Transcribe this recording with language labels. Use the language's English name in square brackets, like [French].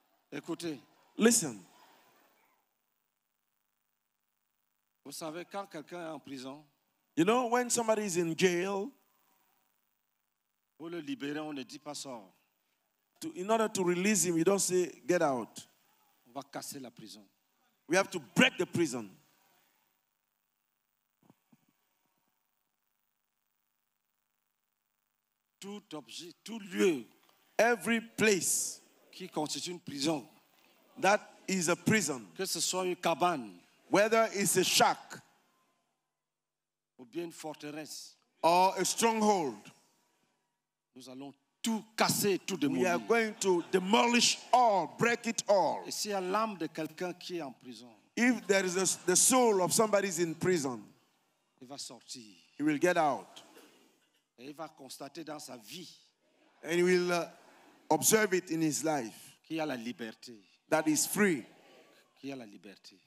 [French] Écoutez, [English] listen. [French] Vous savez quand quelqu'un est en prison, [English] you know when somebody is in jail, [French] pour le libérer, on ne dit pas sort. [English] To in order to release him, you don't say get out. [French] On va casser la prison. [English] We have to break the prison. [French] Tout objet, tout lieu, [English] every place [French] qui constitue une prison, [English] that is a prison, [French] que ce soit une cabane, [English] whether it's a shack, [French] ou bien une forteresse, [English] or a stronghold. [French] Nous allons tout casser, tout démolir. [English] We are going to demolish all, break it all. [French] Et s'il y a l'âme de quelqu'un qui est en prison, [English] if there is the soul of somebody is in prison, [French] il va sortir. [English] He will get out. [French] Et il va constater dans sa vie, [English] and he will observe it in his life, [French] qu'il y a la liberté. [English] That is free. [French] Qu'il y a la liberté.